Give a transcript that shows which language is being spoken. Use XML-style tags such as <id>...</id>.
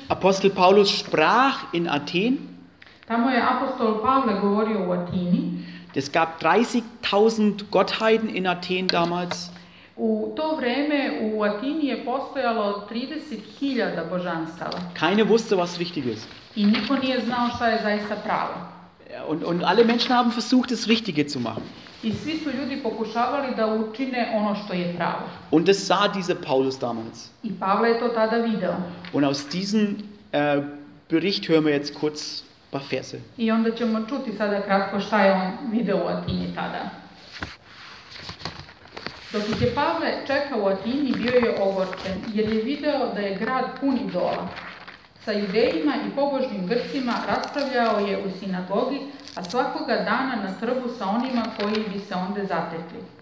<de>Apostel Paulus sprach in Athen.</de> <sr>Tamo je apostol Pavle govorio u Atini.</sr> <de>Es gab 30.000 Gottheiten in Athen damals.</de> <sr>U to vreme u Atini je postojalo 30.000 božanstava.</sr> <de>Keine wusste, was richtig ist.</de> <sr>I niko nije znao šta je zaista pravo.</sr> <de>Und alle Menschen haben versucht, das Richtige zu machen.</de> <sr>I svi su ljudi pokušavali da učine ono što je pravo.</sr> <de>Und das sah dieser Paulus damals.</de> <sr>I Pavle je to tada video.</sr> <de>Und aus diesem Bericht hören wir jetzt kurz paar Verse.</de> <sr>I onda ćemo čuti sada kratko šta je on video u Atini tada. Dok je Pavle čekao u Atini, bio je ogorčen, jer je video da je grad pun idola. Sa judejima i pobožnim Grcima raspravljao je u sinagogi, a svakoga dana na trgu sa onima koji bi se onda zatekli.</sr>